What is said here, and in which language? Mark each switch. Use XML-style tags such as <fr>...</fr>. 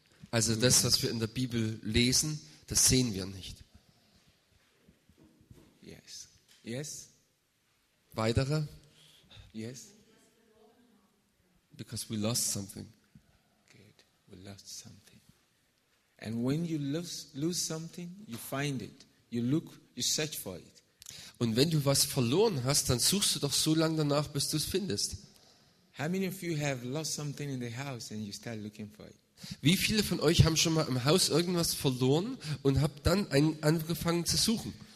<de>Also das, was wir in der Bibel lesen, das sehen wir nicht.</de> <en>Yes. Yes.</en> <de>Weitere?</de> <en>Yes. Because we lost something. Good. We lost something. And when you lose something, you find it. You look, you search for it.</en> <de>Und wenn du was verloren hast, dann suchst du doch so lange danach, bis du es findest.</de> <en>How many of you have lost something in the house and you start looking for it?</en> <de>Wie viele von euch haben schon mal im Haus irgendwas verloren und habt dann angefangen zu suchen?</de>